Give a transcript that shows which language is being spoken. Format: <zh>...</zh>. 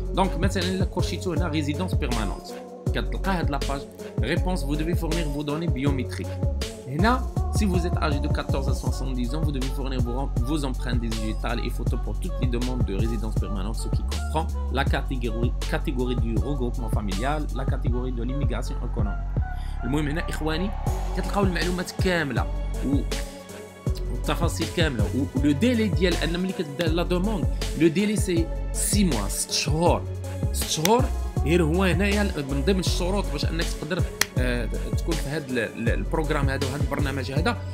<ar>دونك مثلا لا كورشيتو هنا ريزيدونس بيرمانونت كتلقى هاد لا باج ريبونس</ar> <fr>vous devez fournir vos données biométriques. هنا si vous êtes âgé de 14 à 70 ans vous devez fournir vos empreintes digitales et photos pour toutes les demandes de résidence permanente ce qui comprend la catégorie du regroupement familial, la catégorie de l'immigration économique.</fr> <ar>المهم هنا اخواني كتلقاو المعلومات كامله و التفاصيل كامله و لو ديلي ديال ان ملي كتبدا لا دوموند لو ديلي سي 6 mois 6 شهور 6 شهور غير هو هنايا من ضمن الشروط باش انك تقدر تكون في هذا البروغرام هذا وهذا البرنامج هذا.</ar>